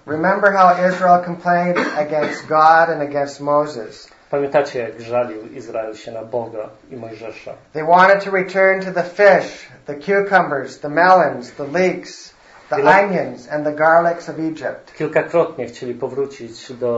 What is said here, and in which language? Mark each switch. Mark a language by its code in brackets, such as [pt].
[en] Remember how Israel complained against God and against Moses. [pl] Pamiętacie, jak żalił Izrael się na Boga i Mojżesza. [en] They wanted to return to the fish, the cucumbers, the melons, the leeks, the onions and the garlics of Egypt. [pl] Kilkakrotnie chcieli powrócić